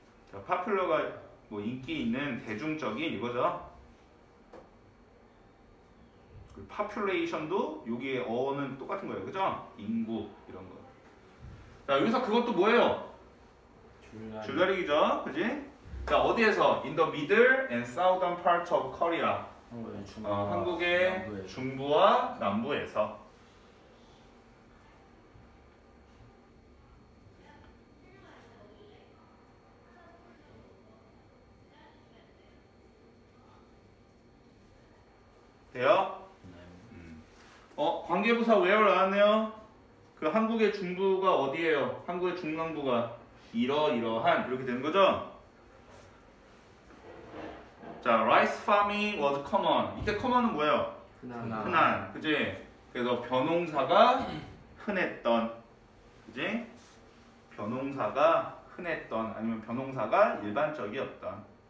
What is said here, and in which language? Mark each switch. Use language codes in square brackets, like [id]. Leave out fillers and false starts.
[ko] 자, popular가 뭐 인기 있는 대중적인 이거죠. population도 여기에 어는 똑같은 거예요. 그죠? 인구 이런 거. 자, 여기서 그것도 뭐예요? 줄다리기죠. 그지? 자, 어디에서? [en] In the middle and southern part of Korea. [ko] 한국의 남부에서. 중부와 남부에서. 돼요? 어? 관계부사 where 나왔네요? 그 한국의 중부가 어디예요? 한국의 중남부가 이러이러한 이렇게 되는 거죠? [en] 자, rice farming was common. [ko] 이때 common은 뭐예요? 흔한. 그지? 그래서 벼농사가 흔했던. 그지? 벼농사가 흔했던 아니면 벼농사가 일반적이었던.